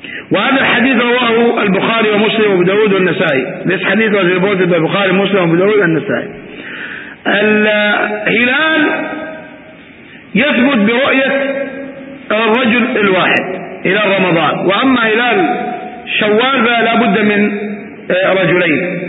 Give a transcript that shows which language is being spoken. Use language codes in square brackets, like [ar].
[ar] وهذا الحديث رواه البخاري ومسلم وابو داود والنسائي. [en] This hadith was reported by Bukhari, Muslim, Abu Dawud, and Nasa'i. [ar] الهلال يثبت برؤية الرجل الواحد إلى رمضان، وأما هلال شوال فلا بد من رجلين.